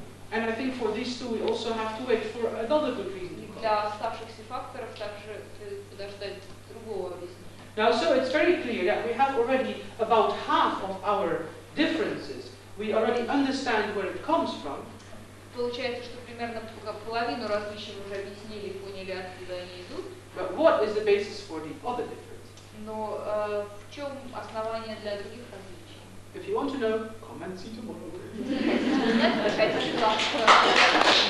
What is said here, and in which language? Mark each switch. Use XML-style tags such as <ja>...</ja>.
<en>And I think for these two we also have to wait for another good reason. Now, so it's very clear that we have already about half of our differences. We already understand where it comes from.</en> <ru>Получается, что примерно половину различий уже объяснили, поняли, откуда они идут.</ru> <en>But what is the basis for the other difference?</en> <ru>Но в чем основание для других различий?</ru> <en>If you want to know, come and see tomorrow.</en>